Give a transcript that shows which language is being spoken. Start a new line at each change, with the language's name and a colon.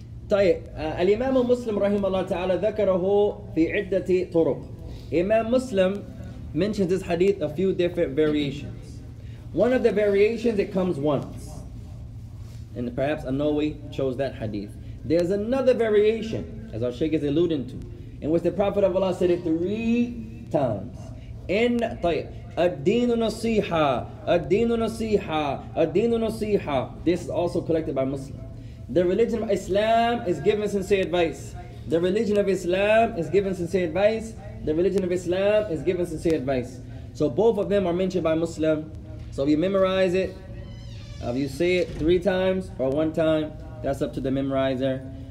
Arabic: طيب الإمام مسلم رحمه الله تعالى ذكره في عدة طرق.
English: Imam Muslim mentions this hadith a few different variations. One of the variations, it comes once. And perhaps Anawi chose that hadith. There's another variation, as our Shaykh is alluding to, in which the Prophet of Allah said it three times.
Arabic: In طيب, الدين نصيحة, الدين نصيحة, الدين نصيحة.
English: This is also collected by Muslims. The religion of Islam is giving sincere advice. The religion of Islam is giving sincere advice. The religion of Islam is giving sincere advice. So both of them are mentioned by Muslim. So if you memorize it, if you say it three times or one time, that's up to the memorizer.